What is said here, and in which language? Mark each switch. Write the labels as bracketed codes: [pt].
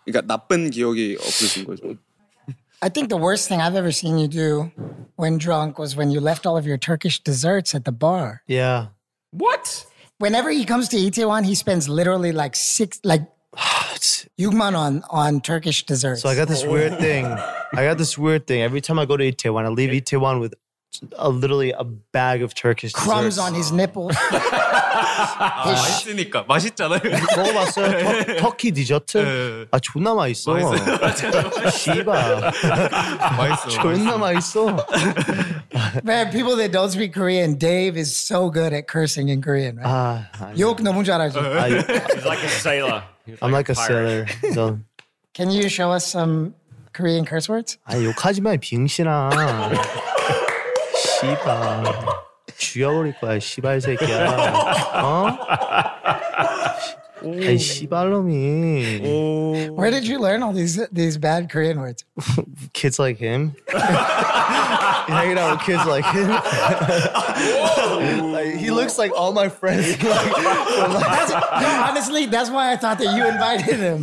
[ko] 그러니까 나쁜 기억이 없으신 거죠? [en] I think the worst thing I've ever seen you do when drunk was when you left all of your Turkish desserts at the bar. Yeah. What? Whenever he comes to Itaewon, he spends literally like six, like, yugmanon on Turkish desserts. So I got this weird thing. Every time I go to Itaewon, I leave Itaewon with literally a bag of Turkish crumbs desserts. On his nipples. [ko] 아, 맛있으니까 맛있잖아요. 먹어봤어요. 터키 디저트. 아 존나 맛있어. 씨바. 맛있어. 존나 맛있어. [en] Man, people that don't speak Korean, Dave is so good at cursing in Korean. [ko] Right? 아, 욕 너무 잘하죠. [en] He's like a sailor. I'm like a sailor. So. Can you show us some Korean curse words? [ko] 아 욕하지 마, 빙신아. 씨바. 쥐어버릴 거야, 시발 새끼야. 어? 에이, 시발놈이. [en] Where did you learn all these bad Korean words? Kids like him. Hanging out with kids like him. Like, he looks. looks like all my friends. honestly, that's why I thought that you invited him.